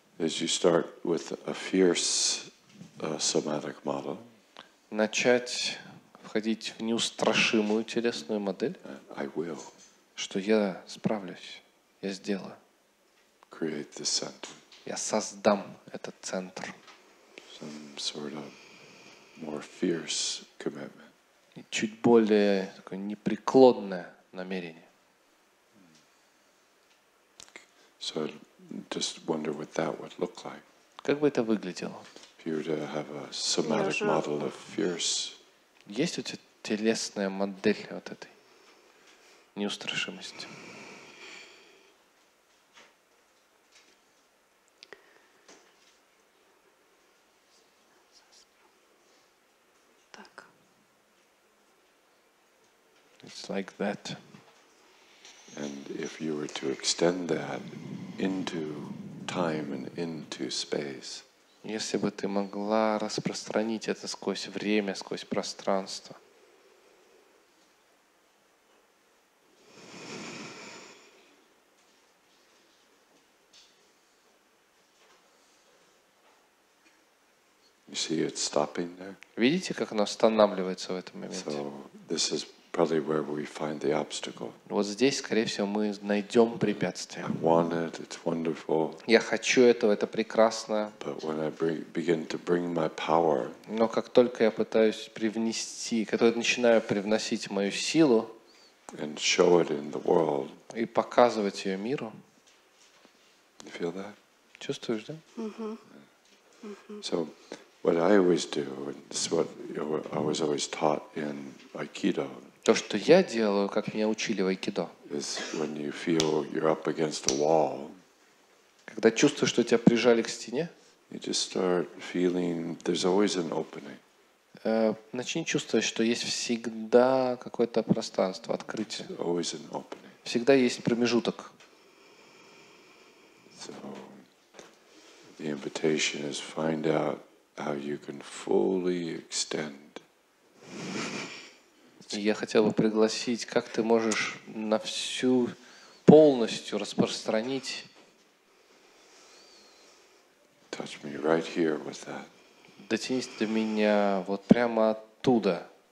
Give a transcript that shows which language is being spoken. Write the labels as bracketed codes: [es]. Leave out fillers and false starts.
[en] As you start with a fierce somatic model. [ru] Начать входить в неустрашимую телесную модель. [en] I will. [ru] Что я справлюсь, я сделаю. [en] Create the center. [ru] Я создам этот центр. [en] Some sort of more fierce commitment. [ru] Чуть более такое непреклонное намерение. [en] So I just wonder what that would look like. [ru] Как бы это выглядело? [en] If you were to have a somatic model of fierce. [ru] Есть у тебя телесная модель вот этой неустрашимости? [en] It's like that. And if you were to extend that into time and into space. [ru] Если бы ты могла распространить это сквозь время, сквозь пространство. [en] You see it stopping there? [ru] Видите, как оно останавливается в этом моменте? [en] So this is probably where we find the obstacle. [ru] Вот здесь, скорее всего, мы найдем препятствие. [en] I want it, it's wonderful. [ru] Я хочу этого, это прекрасно. [en] But when I begin to bring my power. [ru] Но как только я пытаюсь привнести, когда я начинаю привносить мою силу. [en] And show it in the world. [ru] И показывать ее миру. [en] You feel that? [ru] Чувствуешь, да? [en] So what I always do, and this is what I was always taught in Aikido. [ru] То, что я делаю, как меня учили в айкидо. [en] Is when you feel you're up against a wall. [ru] Когда чувствуешь, что тебя прижали к стене. [en] You just start feeling there's always an opening. [ru] Начни чувствовать, что есть всегда какое-то пространство, открытие. [en] There's always an opening. [ru] Всегда есть промежуток. [en] So the invitation is find out how you can fully extend. [ru] Я хотел бы пригласить, как ты можешь на всю полностью распространить. [en] Touch me right here with that. [ru] Дотянись до меня вот прямо оттуда.